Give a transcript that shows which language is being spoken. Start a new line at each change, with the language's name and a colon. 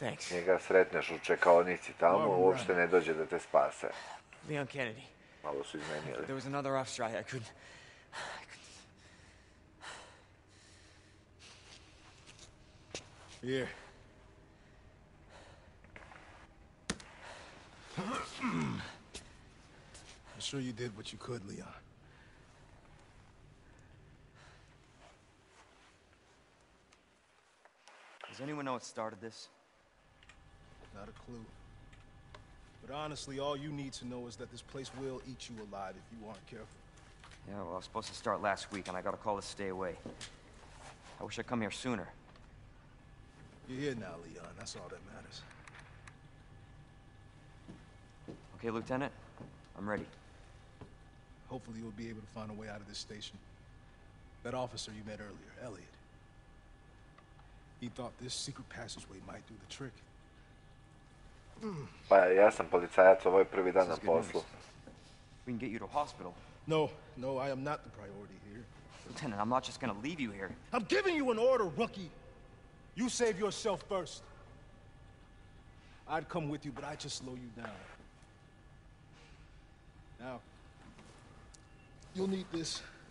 Serbian: Njega sretneš u čekaonici tamo, uopšte ne dođe da te spase. Leon Kennedy. Malo su izmenili.
English: There was another officer I couldn't... Here. I'm sure you did what you could, Leon. Does anyone know what started this? Not a clue. But honestly, all you need to know is that this place will eat you alive if you aren't careful. Yeah, well, I was supposed to start last week, and I got a call to stay away. I wish I'd come here sooner. You're here now, Leon. That's all that matters. Okay, Lieutenant. I'm ready. Hopefully you'll be able to find a way out of this station. That officer you met earlier, Elliot. He thought this secret passageway might do the trick.
Serbian: Pa ja sam policajac, ovo je prvi dan na poslu.
English: We can get you to hospital. No, I am not the priority here. Lieutenant, I'm not just gonna leave you here. I'm giving you an order, rookie. You save yourself first. I'd come with you, but I just slow you down. Now, you'll need this.